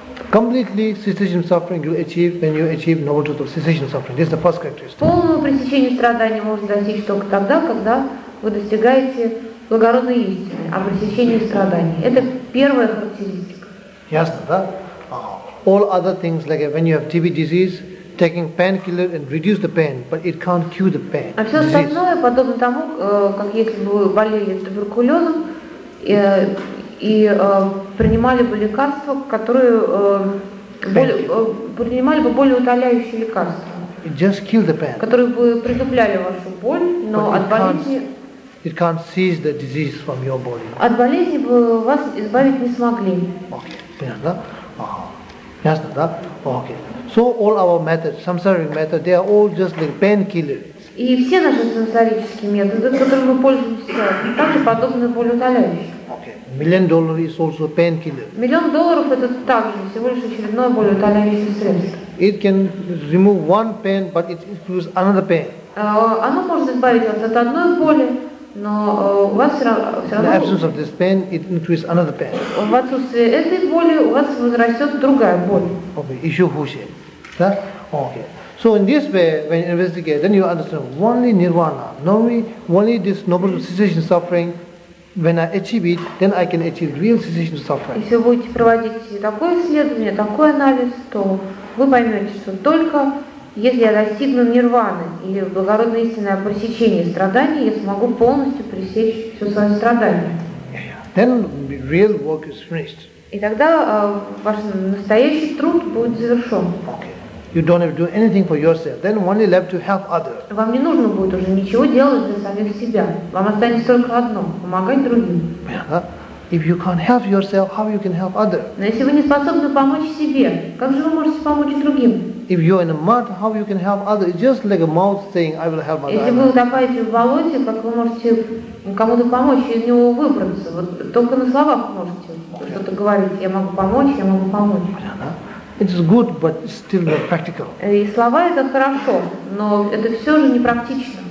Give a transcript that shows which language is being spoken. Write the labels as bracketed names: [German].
[English] Completely cessation suffering you achieve when you achieve noble truth of cessation suffering. This is the first characteristic. [Russian] Полного пресечения страдания можно достичь только тогда, когда вы достигаете благородной истины о пресечении страданий. Это первая характеристика. Ясно, да? [English] All other things like when you have TB disease, taking painkiller and reduce the pain, but it can't cure the pain. [Russian] А все остальное подобно тому, как если бы вы болели туберкулезом и принимали бы лекарства, которые принимали бы более утоляющие лекарства. [English] It just kills the pain. [Russian] Которые бы притупляли вашу боль, но от болезни. [English] It can't seize the disease from your body. [Russian] От болезни бы вас избавить не смогли. Понятно? Ясно, да? Okay. [English] So all our methods, samsaric methods, they are all just like painkillers. [Russian] И все наши самсарические методы, которыми мы пользуемся, также подобны более утоляющим. [English] Okay. Million dollar is also painkiller. [Russian] Миллион долларов это также всего лишь очередное более утоляющее средство. [English] It can remove one pain, but it includes another pain. [Russian] Оно может избавить вас от одной боли, но у вас все равно. [English] The absence of this pain, it increases another pain. [Russian] В отсутствие этой боли у вас возрастет другая боль. Okay, еще хуже, да? Okay. [English] So in this way, when you investigate, then you understand only nirvana, only this noble cessation suffering. When I achieve it, then I can achieve real cessation suffering. [Russian] Если вы будете проводить такое исследование, такой анализ, то вы поймете, что только если я достигну нирваны или благородное истинное пресечение страданий, я смогу полностью пресечь все свои страдания. [English] Then real work is finished. [Russian] И тогда ваш настоящий труд будет завершен. [English] Okay. You don't have to do anything for yourself. Then only left to help others. [Russian] Вам не нужно будет уже ничего делать для самих себя. Вам останется только одно – помогать другим. [English] If you can't help yourself, how you can help others? [Russian] Но если вы не способны помочь себе, как же вы можете помочь другим? [English] If you're in a mud, how you can help others? It's just like a mouth saying, "I will help others." [Russian] Если вы утопаете в болоте, как вы можете кому-то помочь и из него выбраться? Вот только на словах можете что-то говорить. Я могу помочь. Я могу помочь. [English] It's good, but it's still not practical. [Russian] И слова это хорошо, но это все же не практично.